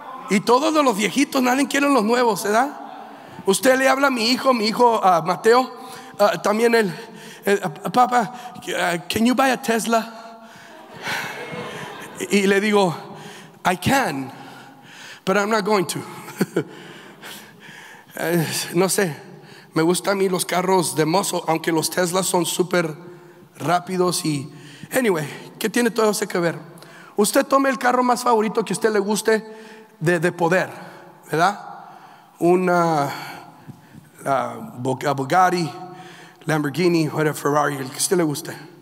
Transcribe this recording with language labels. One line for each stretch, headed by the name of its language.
Spanish: Y todos los viejitos, nadie quiere los nuevos, ¿verdad? Usted le habla a mi hijo Mateo, también él.
English: Papá, can you buy a Tesla?
Spanish: Y le digo,
English: I can, but I'm not going to.
Spanish: No sé, me gustan a mí los carros de muscle, aunque los Teslas son súper rápidos y anyway, ¿qué tiene todo eso que ver? Usted tome el carro más favorito que usted le guste de poder, ¿verdad? Una Bugatti, Lamborghini, whatever, Ferrari, el que usted le guste.